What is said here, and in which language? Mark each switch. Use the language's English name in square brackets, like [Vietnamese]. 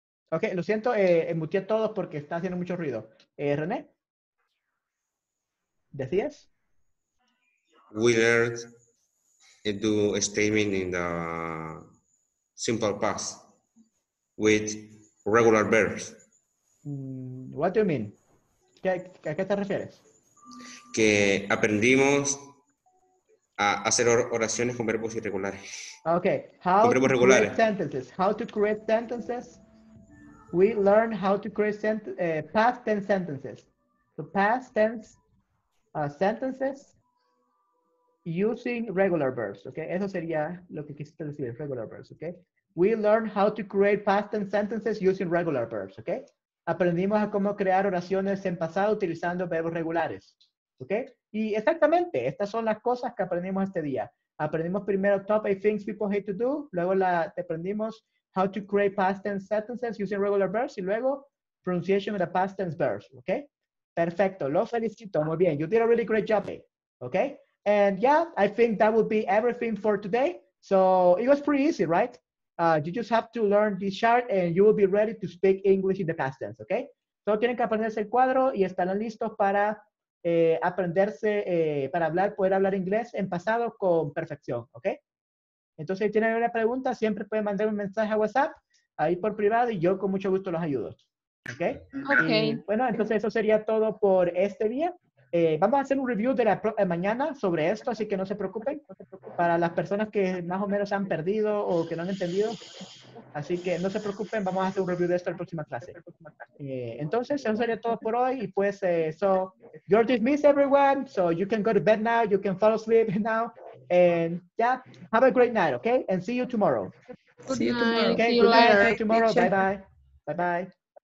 [Spanish] Ok, lo siento, muteé a todos porque está haciendo mucho ruido. René, ¿decías? [English] We learned to do a statement in the simple past with regular verbs. What do you mean? [Spanish] ¿A qué te refieres? Que aprendimos a hacer oraciones con verbos irregulares. [English] Okay, how to create sentences. How to create sentences? We learn how to create past tense sentences. So past tense sentences using regular verbs. Okay, [Spanish] eso sería lo que quisiste decir, [English] regular verbs. Okay, we learn how to create past tense sentences using regular verbs. [Spanish] Okay, aprendimos a cómo crear oraciones en pasado utilizando verbos regulares. Okay, y exactamente, estas son las cosas que aprendimos este día. Aprendimos primero [English] top 8 things people hate to do, [Spanish] luego aprendimos [English] how to create past tense sentences using regular verbs, [Spanish] y luego [English] pronunciation of the past tense verbs, [Spanish] okay? Perfecto, lo felicito, muy bien. [English] You did a really great job, okay? And yeah, I think that would be everything for today. So it was pretty easy, right? You just have to learn this chart and you will be ready to speak English in the past tense, okay? [Spanish] Solo tienen que aprenderse el cuadro y estarán listos para aprenderse, para hablar, poder hablar inglés en pasado con perfección, ¿ok? Entonces, si tienen alguna pregunta, siempre pueden mandar un mensaje a WhatsApp, ahí por privado, y yo con mucho gusto los ayudo, ¿ok? Ok. Y, bueno, entonces eso sería todo por este día. Vamos a hacer un review de la mañana sobre esto, así que no se preocupen, para las personas que más o menos han perdido o que no han entendido. Así que no se preocupen, vamos a hacer un review de esto en la próxima clase. Entonces, eso sería todo por hoy. Y pues, [English] so, you're dismissed, everyone. So, you can go to bed now, you can fall asleep now. And, yeah, have a great night, okay? And see you tomorrow. See you tomorrow. Okay, good night. See you tomorrow. Bye-bye. Bye-bye.